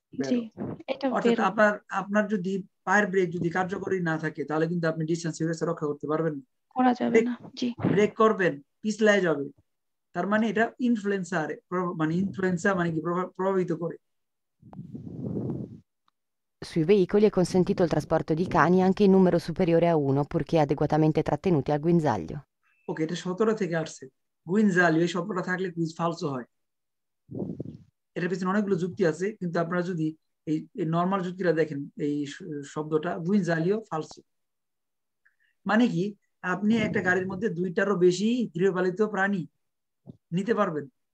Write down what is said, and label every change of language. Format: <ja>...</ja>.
<bn>জি এটা বেরো। অর্থাৎ আপনার আপনার যদি ফায়ার ব্রেক যদি কার্যকরী না থাকে তাহলে কিন্তু আপনি ডিস্টেন্স সিকুরেজ রক্ষা করতে পারবেন না। করা যাবে না। জি ব্রেক করবেন পিছলায় যাবে, তার মানে এটা ইনফ্লুয়েন্সার, মানে ইনফ্লুয়েন্সার মানে কি, প্রভাবিত করে।</bn> <it>Sui veicoli è consentito il trasporto di cani anche in numero superiore a uno, purché adeguatamente trattenuti al guinzaglio.</it> <bn>Ok, এটা 17 থেকে আসছে, গুইনজালিও এই শব্দটা থাকলে কুইজ ফালস হয়, এটার পিছনে অনেকগুলো যুক্তি আছে, কিন্তু আপনারা যদি এই নর্মাল যুক্তিটা দেখেন, এই শব্দটা গুইনজালিও ফালস, মানে কি আপনি একটা গাড়ির মধ্যে দুইটারও বেশি গৃহপালিত প্রাণী নিতে পারবেন।</bn>